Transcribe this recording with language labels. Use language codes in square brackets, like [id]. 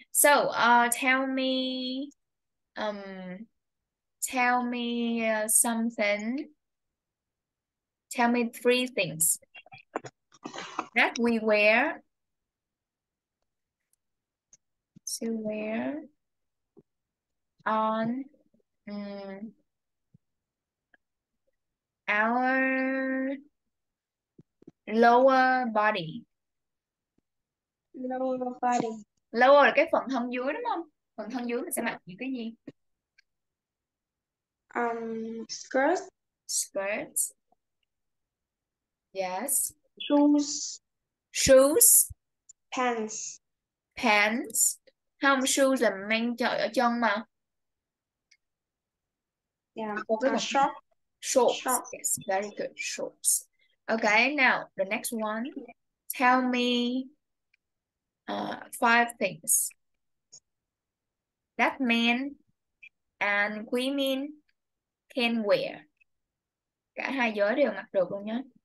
[en] So tell me three things that we wear to wear on our lower body. Lower body. [vi] Lower là cái phần thân dưới đúng không? Phần thân dưới mình sẽ mặc những cái gì? [en] Skirt. Skirt. Yes. Shoes. Shoes. Pants. Pants. [vi] Không, shoes là mang trời ở chân mà. [en] Yeah. Shorts. Yes, very good. Shorts. Okay, now the next one. Tell me five things that men and women can wear. [vi] Cả hai giới đều mặc được luôn nhé.